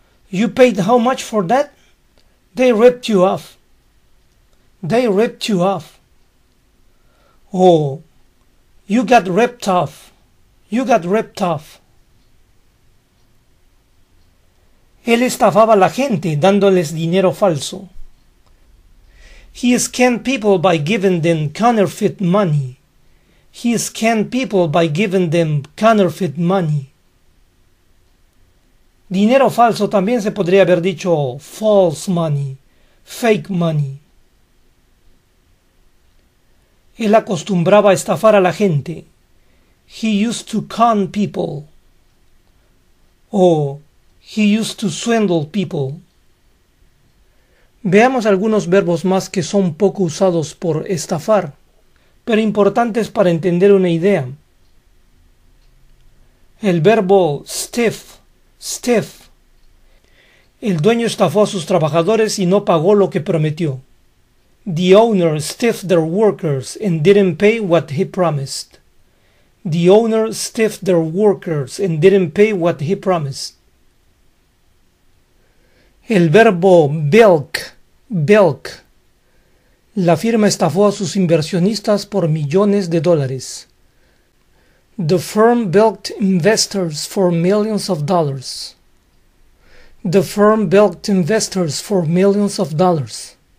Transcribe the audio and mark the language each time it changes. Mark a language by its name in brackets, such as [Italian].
[English] You paid how much for that? They ripped you off. They ripped you off. Oh, you got ripped off. You got ripped off. [Spanish] Él estafaba a la gente dándoles dinero falso. [English] He scammed people by giving them counterfeit money. He scammed people by giving them counterfeit money. [Spanish] Dinero falso también se podría haber dicho false money, fake money. Él acostumbraba a estafar a la gente. [English] He used to con people. Oh, he used to swindle people. [Spanish] Veamos algunos verbos más que son poco usados por estafar, pero importantes para entender una idea. El verbo stiff, stiff. El dueño estafó a sus trabajadores y no pagó lo que prometió. [English] The owner stiffed their workers and didn't pay what he promised. The owner stiffed their workers and didn't pay what he promised. [Spanish] El verbo bilk, bilk. La firma estafó a sus inversionistas por millones de dólares. [English] The firm bilked investors for millions of dollars. The firm bilked investors for millions of dollars.